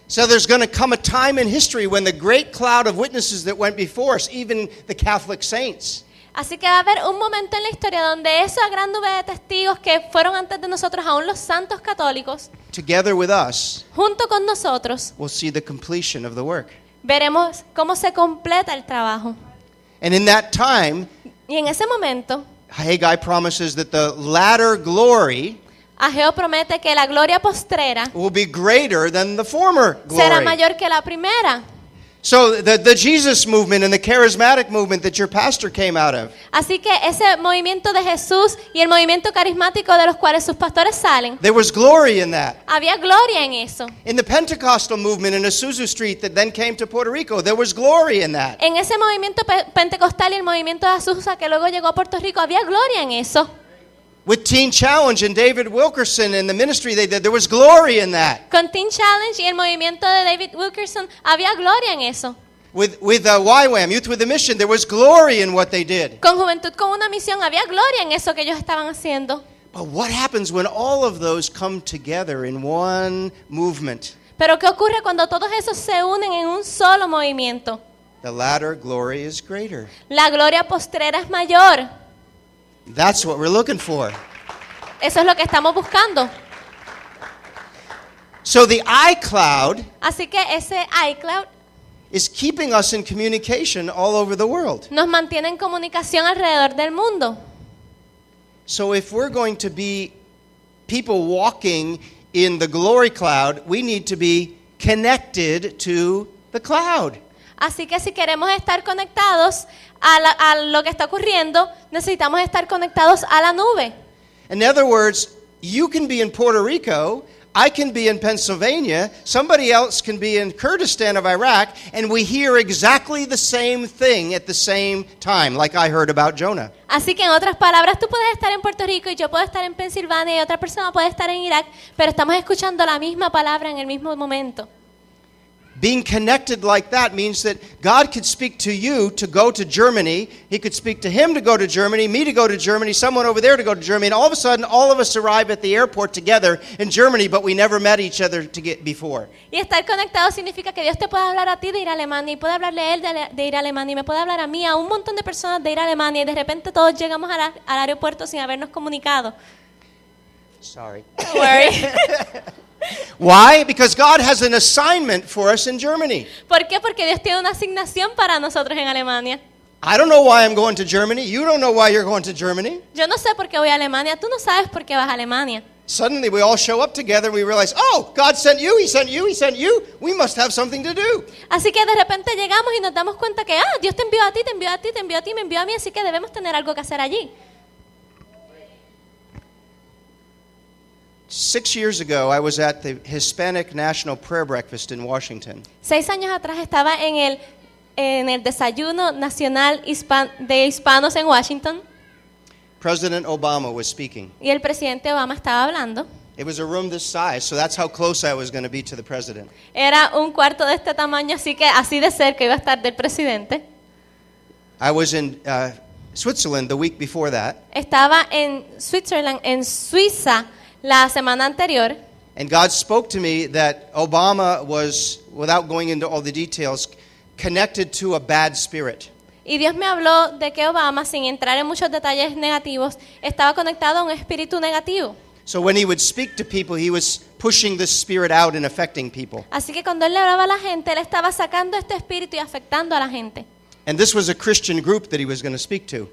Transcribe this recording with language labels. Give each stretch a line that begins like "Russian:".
English: So there's going to come a time in history when the great cloud of witnesses that went before us, even the Catholic saints.
Spanish: Así que va a haber un momento en la historia donde esa gran nube de testigos que fueron antes de nosotros, aún los santos católicos,
English: together with us,
Spanish: junto con nosotros,
English: we'll see the completion of the work.
Spanish: Veremos cómo se completa el trabajo.
English: And in that time,
Spanish: y en ese momento,
English: Haggai promises that the latter glory,
Spanish: Ageo promete que la gloria postrera,
English: will be greater than the former glory.
Spanish: Será mayor que la primera.
English: So the Jesus movement and the charismatic movement that your pastor came out of.
Spanish: Así que ese movimiento de Jesús y el movimiento carismático de los cuales sus pastores salen.
English: There was glory in that.
Spanish: Había gloria en eso.
English: In the Pentecostal movement in Azusa Street that then came to Puerto Rico, there was glory in that.
Spanish: En ese movimiento pentecostal y el movimiento de Azusa que luego llegó a Puerto Rico, había gloria en eso.
English: With Teen Challenge and David Wilkerson and the ministry they did, there was glory in that.
Spanish: Con Teen Challenge y el movimiento de David Wilkerson, había gloria en eso.
English: With YWAM, Youth with a Mission, there was glory in what they did.
Spanish: Con Juventud con una Misión, había gloria en eso que ellos estaban haciendo.
English: But what happens when all of those come together in one movement?
Spanish: Pero qué ocurre cuando todos esos se unen en un solo movimiento?
English: The latter glory is greater.
Spanish: La gloria postrera es mayor.
English: That's what we're looking for.
Spanish: Eso es lo que estamos buscando.
English: So the iCloud,
Spanish: así que ese iCloud,
English: is keeping us in communication all over the world.
Spanish: Nos mantiene en comunicación alrededor del mundo.
English: So if we're going to be people walking in the glory cloud, we need to be connected to the cloud.
Spanish: Así que si queremos estar conectados a lo que está ocurriendo, necesitamos estar conectados a la nube.
English: In other words, you can be in Puerto Rico, I can be in Pennsylvania, somebody else can be in Kurdistan of Iraq, and we hear exactly the same thing at the same time, like I heard about Jonah.
Spanish: Así que en otras palabras, tú puedes estar en Puerto Rico y yo puedo estar en Pensilvania y otra persona puede estar en Irak, pero estamos escuchando la misma palabra en el mismo momento.
English: Being connected like that means that God could speak to you to go to Germany. He could speak to him to go to Germany, me to go to Germany, someone over there to go to Germany. And all of a sudden, all of us arrive at the airport together in Germany, but we never met each other before.
Spanish: Y estar conectado significa que Dios te puede hablar a ti de ir a Alemania, y puede hablarle a él de ir a Alemania, y me puede hablar a mí, a un montón de personas de ir a Alemania, y de repente todos llegamos al aeropuerto sin habernos comunicado.
English: Sorry. Don't worry. Why? Because God has an assignment for us in Germany.
Spanish: ¿Por qué? Porque Dios tiene una asignación para nosotros en Alemania.
English: I don't know why I'm going to Germany. You don't know why you're going to Germany.
Spanish: Yo no sé por qué voy a Alemania. Tú no sabes por qué vas a Alemania.
English: Suddenly we all show up together and we realize, oh, God sent you, he sent you, he sent you. We must have something to do.
Spanish: Así que de repente llegamos y nos damos cuenta que, ah, Dios te envió a ti, te envió a ti, te envió a ti, me envió a mí, así que debemos tener algo que hacer allí.
English: 6 years ago, I was at the Hispanic National Prayer Breakfast in Washington.
Spanish: 6 años atrás estaba en el desayuno nacional de hispanos en Washington.
English: President Obama was speaking.
Spanish: Y el presidente Obama estaba hablando.
English: It was a room this size, so that's how close I was going to be to the president.
Spanish: Era un cuarto de este tamaño, así que así de cerca iba a estar del presidente.
English: I was in Switzerland the week before that.
Spanish: Estaba en Switzerland, en Suiza, la semana anterior.
English: And God spoke to me that Obama was, without going into all the details, connected to a bad spirit.
Spanish: Y Dios me habló de que Obama, sin entrar en muchos detalles negativos, estaba conectado a un espíritu negativo.
English: So when he would speak to people, he was pushing this spirit out and affecting people.
Spanish: Así que cuando él le hablaba a la gente, él estaba sacando este espíritu y afectando a la gente.
English: And this was a Christian group that he was going to speak to.